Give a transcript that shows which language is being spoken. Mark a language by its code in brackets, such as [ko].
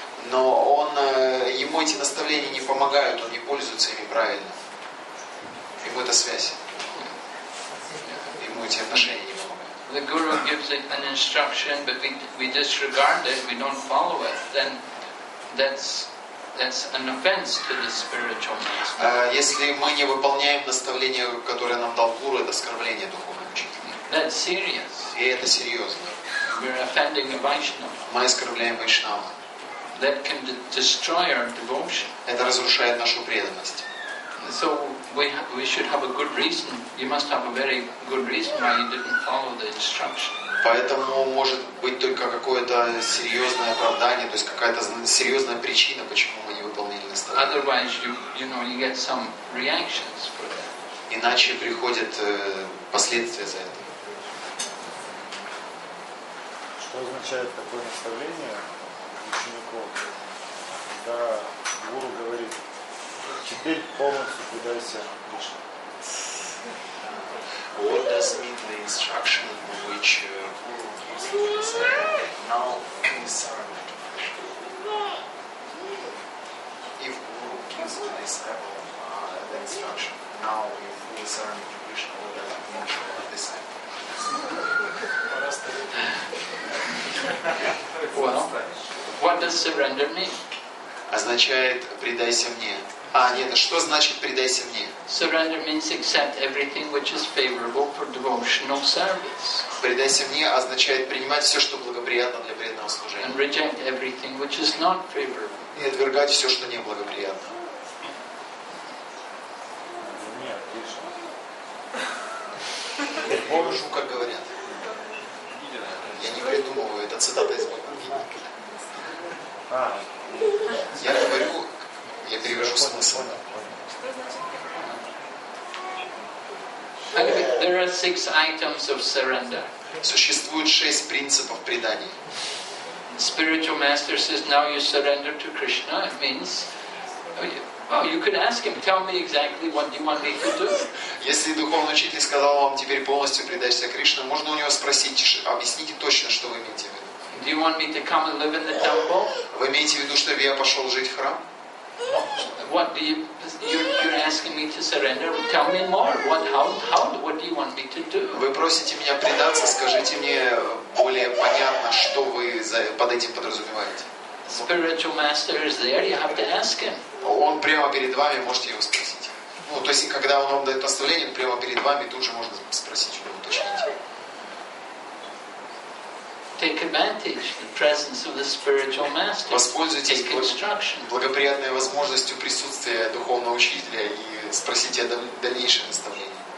[ru] Но он ему эти наставления не помогают. Он не пользуется ими правильно. Ему эта связь. Ему эти отношения не помогают. [en] The guru gives an instruction, but we disregard it. We don't follow it. Then that's an offense to the spiritual master. [ru] Если мы не выполняем наставление, которое нам дал гуру, это оскорбление духовному учителю. [en] That's serious. [ru] И это серьезно. [en] We're offending a Vaishnava. [ru] Мы оскорбляем Вайшнава. [en] That can destroy our devotion. [ru] Это разрушает нашу преданность. [en] So we should have a good reason. You must have a very good reason why you didn't follow the instruction. [ru] Поэтому может быть только какое-то серьезное оправдание, то есть какая-то серьезная причина, почему мы не выполнили наставление. [en] Otherwise, you know, you get some reactions for that. [ru] Иначе приходят последствия за это. Что означает такое наставление ученику, когда гуру говорит, теперь полностью предайся Кришне? [en] What does mean the instruction which Guru gives to the disciple? Now please surrender to Krishna. If Guru gives to the disciple the instruction, now you fully surrender to Krishna, what does it mean for the disciple? Well, what does surrender mean? [ru] Означает предайся мне. Нет, что значит предайся мне? [en] Surrender means accept everything which is favorable for devotional service. [ru] Предайся мне означает принимать все, что благоприятно для преданного служения. [en] And reject everything which is not favorable. [ru] И отвергать все, что неблагоприятно. Нет, Кришна. Боржу, как говорят. Я не придумываю, это цитата из Бхагавад-гиты. Я говорю, я перевожу смысл. [en] There are six items of surrender. [ru] Существует шесть принципов предания. [en] Spiritual master says, now you surrender to Krishna. It means, well, you could ask him, tell me exactly what you want me to do. [ru] Если духовный учитель сказал вам, теперь полностью предайся Кришне, можно у него спросить, объясните точно, что вы имеете в виду. [en] Do you want me to come and live in the temple? [ru] Вы имеете в виду, чтобы я пошел жить в храм? [en] What do you're asking me to surrender? Tell me more. How? What do you want me to do? [ru] Вы просите меня предаться. Скажите мне более понятно, что вы под этим подразумеваете. [en] Spiritual master is there. You have to ask him. [ru] Он прямо перед вами. Можете его спросить. Ну, то есть, когда он вам дает наставление, прямо перед вами, тут же можно спросить, чтобы уточнить. [en] Take advantage of the presence of the spiritual master. [ru] Воспользуйтесь благоприятной возможностью присутствия духовного учителя и спросите о дальнейшем наставлении.